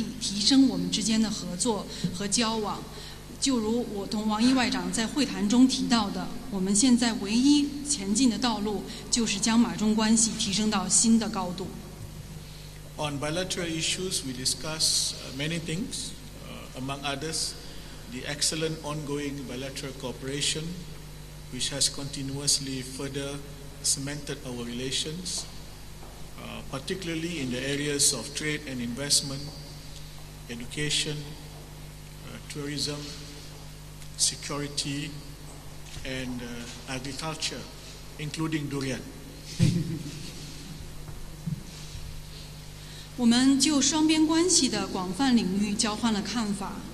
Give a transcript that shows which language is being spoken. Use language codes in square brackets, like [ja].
[zh] 我跟王毅外长进行了富有建设性的和十分富有成果的会谈。我们双方在会谈中就双边关系以及共同关心的地区问题交换了看法。我们都认为马中之间的关系并非只始于1974年两国之间正式建交，实际上两国人民之间的交往有着数千年的历史。现在我们要做的就是共同努力提升我们之间的合作和交往。就如我同王毅外长在会谈中提到的，我们现在唯一前进的道路就是将马中关系提升到新的高度。 [en] On bilateral issues, we discuss many things, among others, the excellent ongoing bilateral cooperation, which has continuously further cemented our relations, particularly in the areas of trade and investment, education, tourism, security and agriculture, including durian. [zh] 我们就双边关系的广泛领域交换了看法。